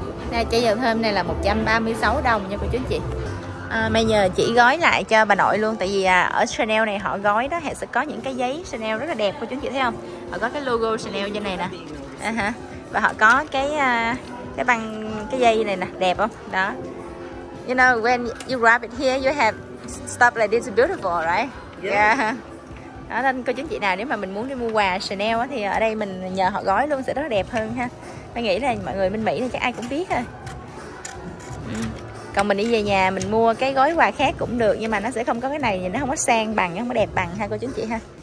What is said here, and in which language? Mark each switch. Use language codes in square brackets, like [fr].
[vi] Này, chai dầu thơm này là 136 đồng nha cô chú chị. Mai nhờ chị gói lại cho bà nội luôn. Tại vì ở Chanel này họ gói đó họ sẽ có những cái giấy Chanel rất là đẹp. Cô chú chị thấy không? Họ có cái logo Chanel trên này nè. Và họ có cái băng, cái dây này nè. Đẹp không? Đó. [en] You know, when you wrap it here, you have stuff like this beautiful, right? Yeah. [vi] Đó, nên cô chú chị nào nếu mà mình muốn đi mua quà Chanel á, thì ở đây mình nhờ họ gói luôn sẽ rất là đẹp hơn ha. Mai nghĩ là mọi người bên Mỹ thì chắc ai cũng biết thôi. Còn mình đi về nhà mình mua cái gói quà khác cũng được, nhưng mà nó sẽ không có cái này, nó không có sang bằng, nó không có đẹp bằng ha cô chú chị ha.